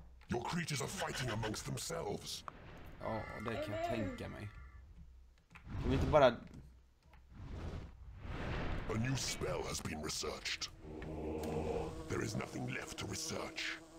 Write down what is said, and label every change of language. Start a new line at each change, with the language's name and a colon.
English: Your creatures are fighting amongst themselves.
Swedish: Ja, det kan jag tänka mig. Kan vi inte bara...
English: A new spell has been researched. There is nothing left to research.